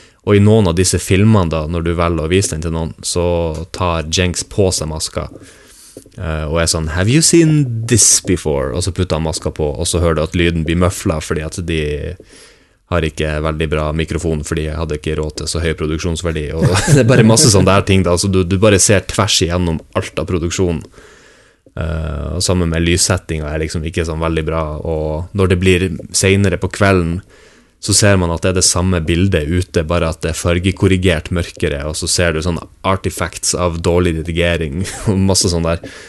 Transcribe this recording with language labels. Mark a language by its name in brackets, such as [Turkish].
[Norwegian] Og i noen av disse filmene da, når du velger å vise den til noen, så tar Jinx på seg maska. Og er sånn, [English] have you seen this before? [Norwegian] Og så putter han maska på, og så hører du at lyden blir møflet, fordi at de har ikke veldig bra mikrofon, fordi jeg hadde ikke råd til så høy produksjonsverdi. Og det er bare masse sånne der ting, da. Så du bare ser tvers igjennom alt av produksjonen. Og sammen med lyssettingen er liksom ikke sånn veldig bra. Og når det blir senere på kvelden, så ser man at det er det samme bildet ute, bare at det er fargekorrigert mørkere, og så ser du sånne artifacts av dårlig redigering, og masse sånn der.